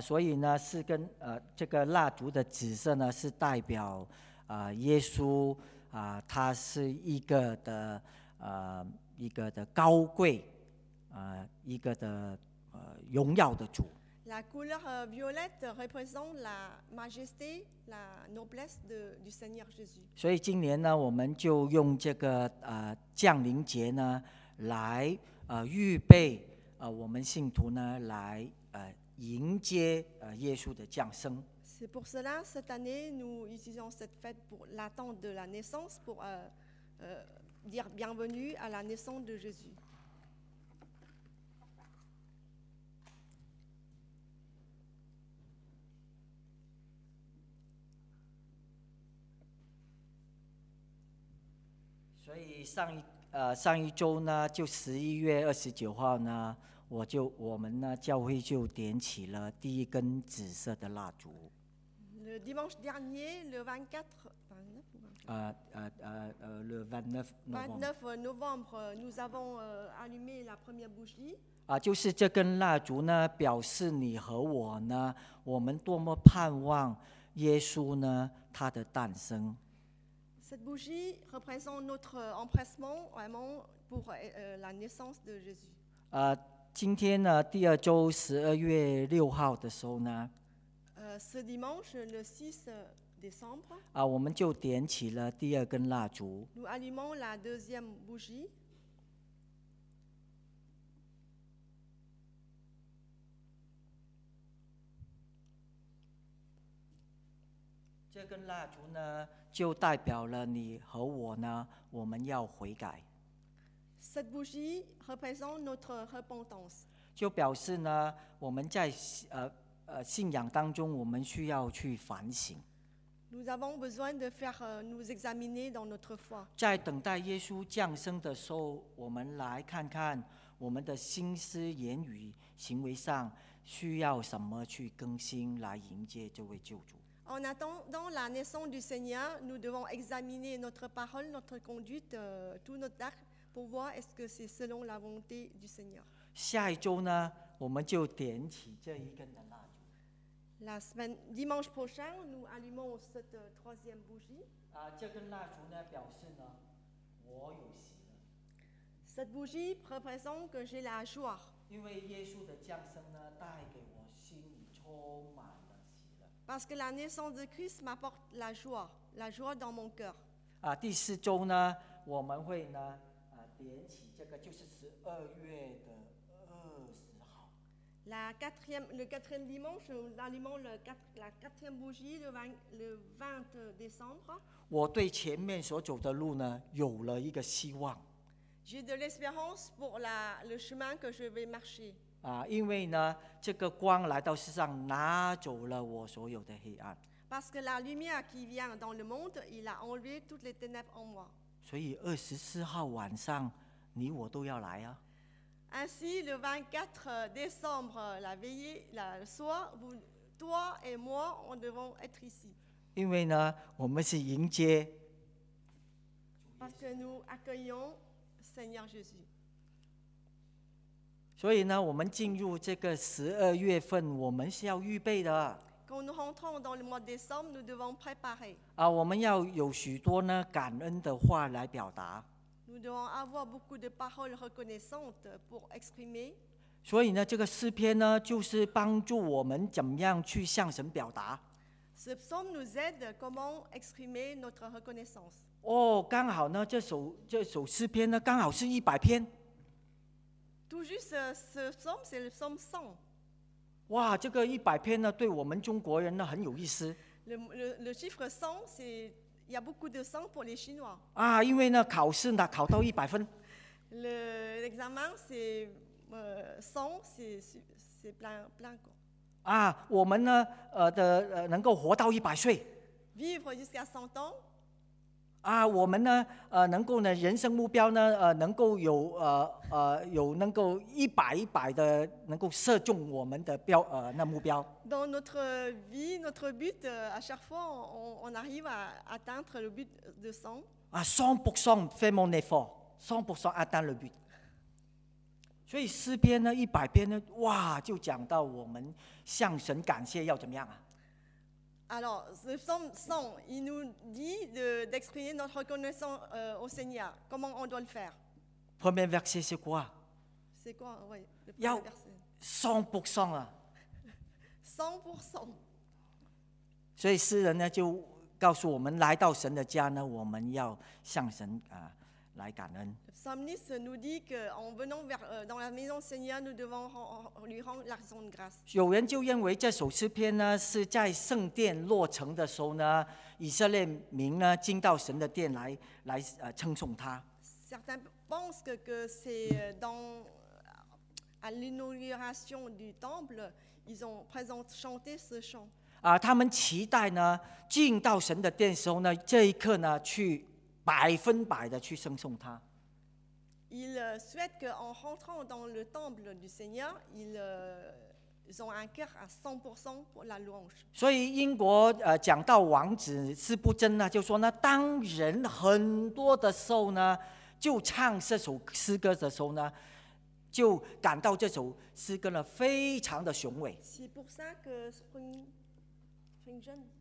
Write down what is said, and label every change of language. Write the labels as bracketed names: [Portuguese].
[Chinese] 所以呢，是跟这个蜡烛的紫色呢，是代表耶稣他是一个的一个的高贵一个的荣耀的主。 [French] La couleur violette représente la majesté, la noblesse du Seigneur Jésus. [Chinese] 所以今年呢，我们就用这个降临节呢，来预备我们信徒呢，来迎接耶稣的降生。 [French] C'est pour cela cette année nous utilisons cette fête pour l'attente de la naissance pour dire bienvenue à la naissance de Jésus. [Chinese] 所以上一周呢，就11月29号呢，我们呢教会就点起了第一根紫色的蜡烛。 [French] Le dimanche dernier, le 29 novembre, nous avons allumé la première bougie. [Chinese] 就是这根蜡烛呢，表示你和我呢，我们多么盼望耶稣呢，他的诞生。 [French] Cette bougie représente notre empressement vraiment pour la naissance de Jésus. [Chinese] 今天呢，第二周12月6号的时候呢， [French] ce dimanche le 6 décembre, [Chinese] 我们就点起了第二根蜡烛。 [French] Nous allumons la deuxième bougie. [Chinese] 这根蜡烛呢，就代表了你和我呢，我们要悔改。 [French] Cette bougie représente notre repentance. [Chinese] 就表示呢，我们在信仰当中，我们需要去反省。 [French] Nous avons besoin de faire nous examiner dans notre foi. [Chinese] 在等待耶稣降生的时候，我们来看看我们的心思、言语、行为上需要什么去更新，来迎接这位救主。 [French] En attendant la naissance du Seigneur, nous devons examiner notre parole, notre conduite, tout notre acte pour voir est-ce que c'est selon la volonté du Seigneur. [Chinese] 下一周呢，我们就点起这一根的蜡烛。 [French] La semaine, dimanche prochain, nous allumons cette troisième bougie. [Chinese] 这根蜡烛呢，表示呢，我有喜乐。 [French] Cette bougie représente que j'ai la joie. [Chinese] 因为耶稣的降生呢，带给我心里充满。 [French] Parce que la naissance de Christ m'apporte la joie dans mon cœur. [Chinese] 第四周呢，我们会呢，点起这个，就是12月20号。 [French] Le quatrième dimanche, nous allumons la quatrième bougie le 20 décembre. [Chinese] 我对前面所走的路呢，有了一个希望。 [French] J'ai de l'espérance pour le chemin que je vais marcher. [Chinese] 因为呢，这个光来到世上，拿走了我所有的黑暗。 [French] Parce que la lumière qui vient dans le monde, il a enlevé toutes les ténèbres en moi. [Chinese] 所以24号晚上，你我都要来啊。 [French] Ainsi, le 24 décembre, la veillée, la soir, vous, toi et moi, on devons être ici. [Chinese] 因为呢，我们是迎接 [French] parce que nous accueillons Seigneur Jésus. [Chinese] 所以呢, 我们进入这个12月份, 我们是要预备的。 [French] Quand nous rentrons dans le mois de décembre, nous devons préparer. [Chinese] 我们要有许多呢, 感恩的话来表达。 [French] Nous devons avoir beaucoup de paroles reconnaissantes pour exprimer. [Chinese] 所以呢, 这个诗篇呢, 就是帮助我们怎么样去向神表达。 [French] Ce psaume nous aide comment exprimer notre reconnaissance. [Chinese] 刚好呢, 这首诗篇呢, 刚好是100篇。 [French] Tout juste ce psaume, c'est le psaume 100. [Chinese] 哇, 这个100篇呢, 对我们中国人呢, 很有意思。 [French] Le chiffre 100, c'est, il y a beaucoup de sang pour les Chinois. [Chinese] 啊, 因为呢, 考试呢, 考到100分。 [French] L'examen, c'est 100, c'est plein quoi. [Chinese] 啊, 我们呢, 能够活到100岁。 [French] Vivre jusqu'à 100 ans. [Chinese] 啊, 我们呢, 能够呢, 人生目标呢, 能够有, 有能够一百一百的, 能够射中我们的标, 那目标。 [French] Dans notre vie, notre but, à chaque fois, on arrive à atteindre le but de 100. 啊, 100% fait mon effort, 100% atteindre le but. [Chinese] 所以诗篇呢, 100篇呢, 哇, 就讲到我们向神感谢要怎么样啊。 [French] Alors, ce psaume 100, il nous dit d'exprimer notre reconnaissance au Seigneur. Comment on doit le faire? Premier verset, c'est quoi? C'est quoi, oui, le premier verset. 100%. 100%. [Chinese] 所以诗人呢, 就告诉我们, 来到神的家呢, 我们要向神, 来感恩。 [French] Le psalmiste nous dit qu'en venant vers, dans la maison du Seigneur, nous devons lui rendre l'action de grâce. [Chinese] 有人就认为这首诗篇呢, 是在圣殿落成的时候呢, 以色列民呢, 进到神的殿来, 来, 称颂他。 [French] Certains pensent que c'est dans, à l'inauguration du temple, ils ont présenté, chanté ce chant. [Chinese] 啊, 他们期待呢, 进到神的殿的时候呢, 这一刻呢, 去, 百分百的去称颂他。 [French] Il souhaite qu'en rentrant dans le temple du Seigneur, ils ont un cœur à 100% pour la louange. [Chinese] 所以英国, 讲到王子是不争呢, 就说呢, 当人很多的时候呢, 就唱这首诗歌的时候呢, 就感到这首诗歌呢, 非常的雄伟。 [French] C'est pour ça que Spurgeon